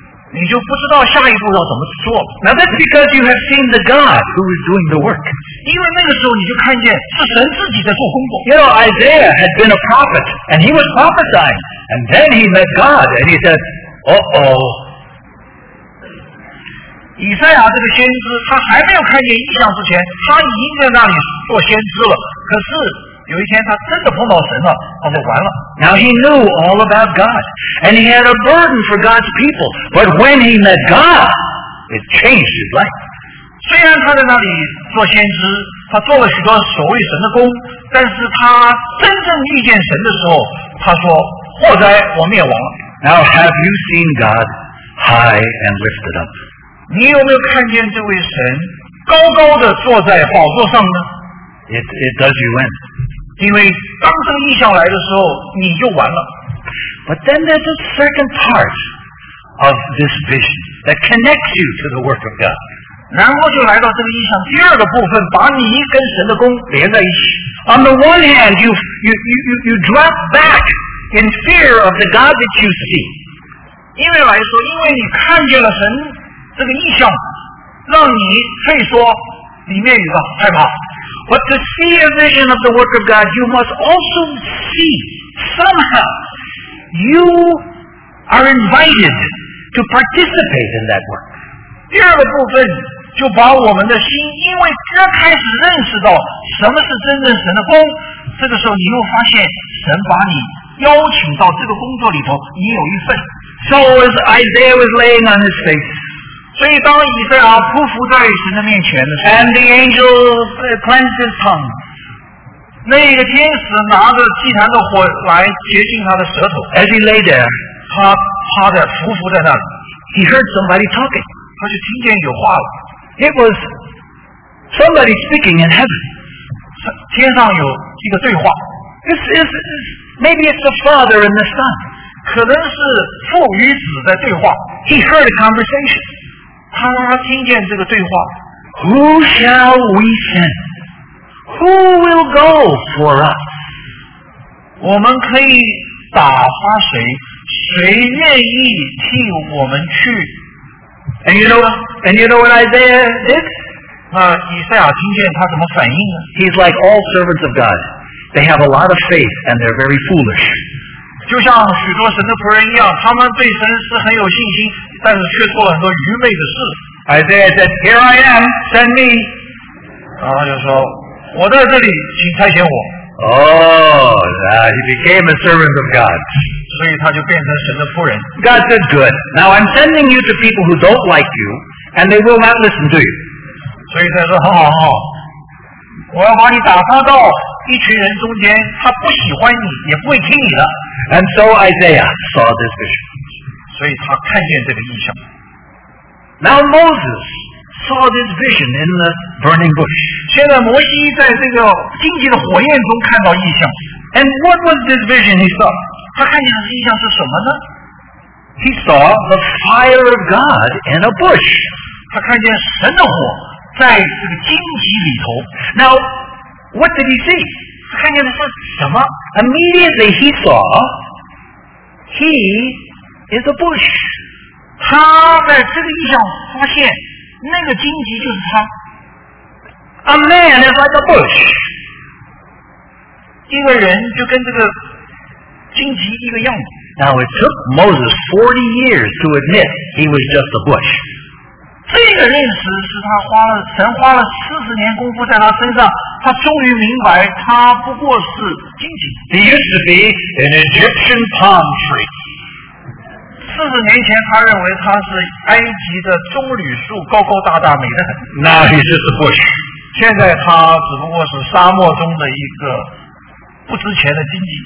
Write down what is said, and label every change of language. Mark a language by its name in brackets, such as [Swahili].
[Chinese] 你就不知道下一步要怎么做。 [English] Now that's because you have seen the God who is doing the work. [Chinese] 因为那个时候你就看见是神自己在做工作。 [English] You know, Isaiah had been a prophet, and he was prophesying, and then he met God, and he said, uh-oh. [Chinese] 以赛亚这个先知，他还没有看见异象之前，他已经在那里做先知了。可是有一天，他真的碰到神了，他说完了。 [English] Now he knew all about God, and he had a burden for God's people. But when he met God, it changed his life. [Chinese] 虽然他在那里做先知，他做了许多所谓神的工，但是他真正遇见神的时候，他说：“祸哉，我灭亡了。” [English] Now have you seen God high and lifted up? [Chinese] 你有没有看见这位神高高的坐在宝座上呢？ [English] It does you in. [Chinese] 因为当这个异象来的时候，你就完了。 [English] But then there's a second part of this vision that connects you to the work of God. [Chinese] 然后就来到这个异象第二个部分，把你跟神的工连在一起。 [English] On the one hand, you drop back in fear of the God that you see. [Chinese] 因为来说，因为你看见了神这个异象，让你退缩，里面有个害怕。 [English] But to see a vision of the work of God, you must also see somehow. You are invited to participate in that work. [Chinese] 第二个部分就把我们的心，因为刚开始认识到什么是真正神的工，这个时候你又发现神把你邀请到这个工作里头，你有一份。 [English] So as Isaiah was laying on his face, [Chinese] 所以当以赛亚匍匐在神的面前的时候 [English] ，and the angel cleansed his tongue. [Chinese] 那个天使拿着祭坛的火来洁净他的舌头。 [English] As he lay there, [Chinese] 他趴着匍匐在那里。 [English] He heard somebody talking. [Chinese] 他就听见有话了。 [English] It was somebody speaking in heaven. [Chinese] 天上有一个对话。 [English] This is maybe it's the father and the son. [Chinese] 可能是父与子在对话。 [English] He heard a conversation. [Chinese] 他听见这个对话。 [English] Who shall we send? Who will go for us? [Chinese] 我们可以打发谁？谁愿意替我们去？ [English] And you know what Isaiah did? [Chinese] 那以赛亚听见他怎么反应呢？ [English] He's like all servants of God. They have a lot of faith and they're very foolish. [Chinese] 就像许多神的仆人一样，他们对神是很有信心，但是却做了很多愚昧的事。 [English] Isaiah said, Here I am, send me. [Chinese] 然后就说我在这里，请差遣我。 [English] He became a servant of God. [Chinese] 所以他就变成神的仆人。 [English] God said, "Good. Now I'm sending you to people who don't like you, and they will not listen to you." [Chinese] 所以他说，很好很好，我要把你打发到一群人中间，他不喜欢你，也不会听你的。 [English] And so Isaiah saw this vision. [Chinese] 所以他看见这个异象。 [English] Now Moses. Saw this vision in the burning bush. [Chinese] 现在摩西在这个荆棘的火焰中看到异象。 [English] And what was this vision he saw? [Chinese] 他看见的异象是什么呢？ [English] He saw the fire of God in a bush. [Chinese] 他看见神的火在这个荆棘里头。 [English] Now, what did he see? [Chinese] 他看见的是什么？ [English] Immediately he saw, he is a bush. [Chinese] 他在这个异象发现那个荆棘就是他。 [English] A man is like a bush. [Chinese] 一个人就跟这个荆棘一个样子。 [English] Now it took Moses 40 years to admit he was just a bush. [Chinese] 这个认识是他花了神花了40年功夫在他身上，他终于明白他不过是荆棘。 [English] He used to be an Egyptian palm tree. [Chinese] 40年前他认为他是埃及的棕榈树，高高大大，美得很。 [English] Now he's just a bush. [Chinese] 现在他只不过是沙漠中的一个不值钱的荆棘。